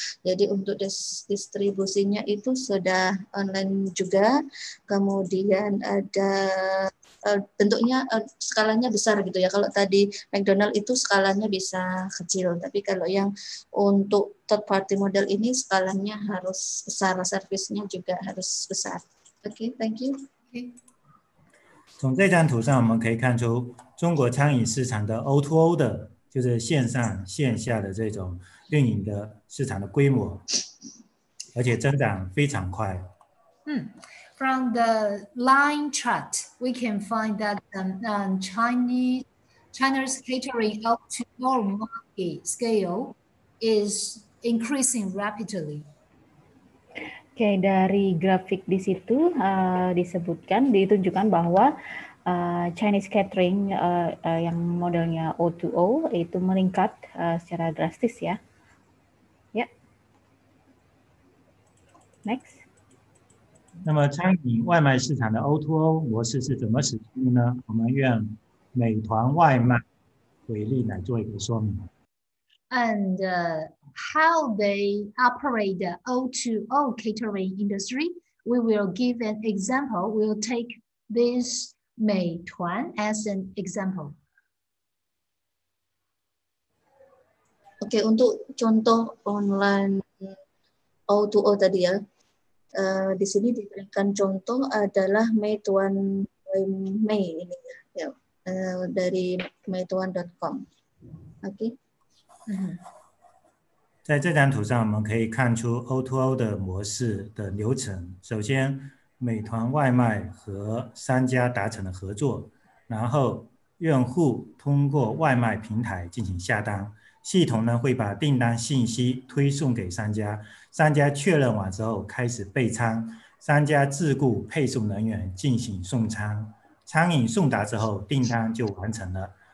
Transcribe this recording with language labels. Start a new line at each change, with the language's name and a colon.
Indonesian: Jadi untuk distribusinya itu sudah online juga, kemudian ada bentuknya skalanya besar gitu ya. Kalau tadi McDonald itu skalanya bisa kecil, tapi kalau yang untuk
English: third party model
Indonesian: ini skalanya harus besar, servicenya juga harus besar.
English: Okay, thank you. Okay.
Chinese: 从这张图上我们可以看出，中国餐饮市场的 O2O 的，就是线上线下的这种运营的市场的规模，而且增长非常快。
English: From the line chart, we can find that China's catering up to world market scale is increasing rapidly.
Indonesian: Oke, okay, dari grafik di situ disebutkan, ditunjukkan bahwa Chinese catering yang modelnya O2O itu meningkat secara drastis ya. Ya.
English: Next.
Chinese: 那么餐饮外卖市场的 O2O 模式是怎么使用呢？我们用美团外卖为例来做一个说明。
English: And how they operate the O2O catering industry, we will give an example. We'll take this Meituan as an example.
Indonesian: Okay, untuk contoh online O2O tadi ya, di sini diberikan contoh adalah Meituan Mei ini ya, dari meituan.com.
English: Okay.
Chinese: 在这张图上，我们可以看出 O2O 的流程。首先，美团外卖和商家达成了合作，然后用户通过外卖平台进行下单，系统呢会把订单信息推送给商家，商家确认完之后开始备餐，商家自雇配送人员进行送餐，餐饮送达之后，订单就完成了。